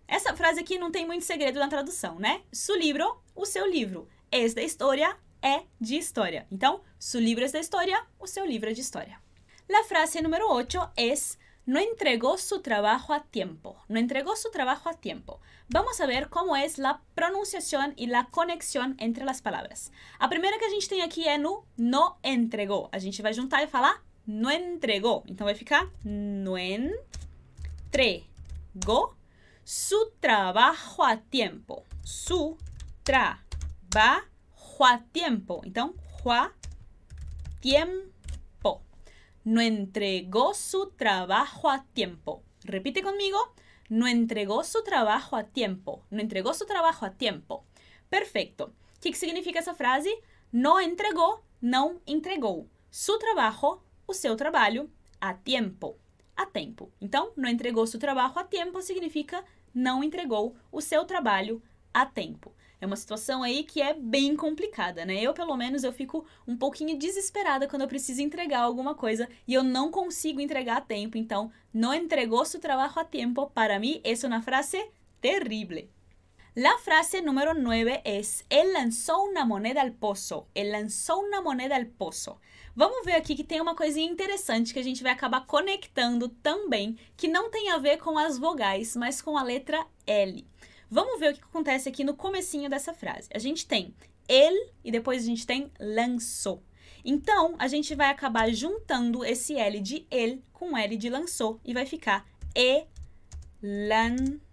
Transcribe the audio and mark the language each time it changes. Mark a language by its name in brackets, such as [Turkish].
[Portuguese] Essa frase aqui não tem muito segredo na tradução, né? Su libro, o seu livro. Es de historia, é de história. Então, su libros de historia, o seu livro é de história. [Spanish] La frase número 8 es no entregó su trabajo a tiempo. No entregó su trabajo a tiempo. Vamos a ver como es la pronunciación y la conexión entre las palabras. [Portuguese] A primeira que a gente tem aqui é no no entregó. A gente vai juntar e falar no entregó. Então vai ficar no entregó su trabajo a tiempo. [Spanish] Su trabajo a tiempo. [Portuguese] Então, a tiempo. [Spanish] No entregó su trabajo a tiempo. Repite conmigo. No entregó su trabajo a tiempo. No entregó su trabajo a tiempo. Perfecto. ¿Qué significa esa frase? No entregó, no entregó su trabajo, o seu trabalho, a tiempo. A tiempo. Entonces, no entregó su trabajo a tiempo significa no entregó o seu trabalho a tiempo. [Portuguese] É uma situação aí que é bem complicada, né? Eu, pelo menos, eu fico um pouquinho desesperada quando eu preciso entregar alguma coisa e eu não consigo entregar a tempo. [Spanish] Então, no entregó su trabajo a tiempo. Para mim, es una frase terrible. La frase número 9 es él lanzó una moneda al pozo. Él lanzó una moneda al pozo. [Portuguese] Vamos ver aqui que tem uma coisinha interessante que a gente vai acabar conectando também, que não tem a ver com as vogais, mas com a letra L. Vamos ver o que acontece aqui no comecinho dessa frase. A gente tem ele e depois a gente tem lançou. Então, a gente vai acabar juntando esse L de ele com L de lançou e vai ficar e-lan-sou.